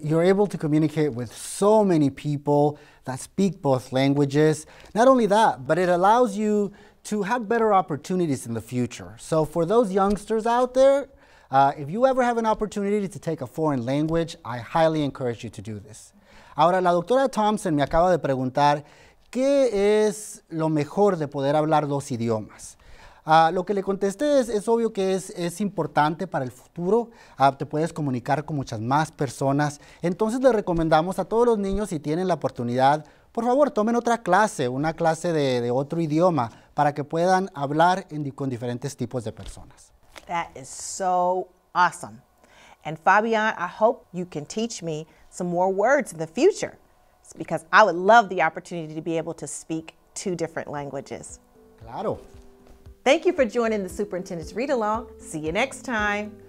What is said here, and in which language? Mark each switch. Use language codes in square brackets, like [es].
[en] You're able to communicate with so many people that speak both languages. Not only that, but it allows you to have better opportunities in the future. So for those youngsters out there, if you ever have an opportunity to take a foreign language, I highly encourage you to do this. [es] Ahora, la doctora Thompson me acaba de preguntar, ¿qué es lo mejor de poder hablar dos idiomas? Lo que le contesté es obvio que es importante para el futuro. Te puedes comunicar con muchas más personas. Entonces le recomendamos a todos los niños, si tienen la oportunidad, por favor, tomen otra clase, una clase de otro idioma, para que puedan hablar con diferentes tipos de personas. [en] That is so awesome. And Fabián, I hope you can teach me some more words in the future. It's because I would love the opportunity to be able to speak two different languages. [es] Claro. [en] Thank you for joining the Superintendent's Read Along. See you next time.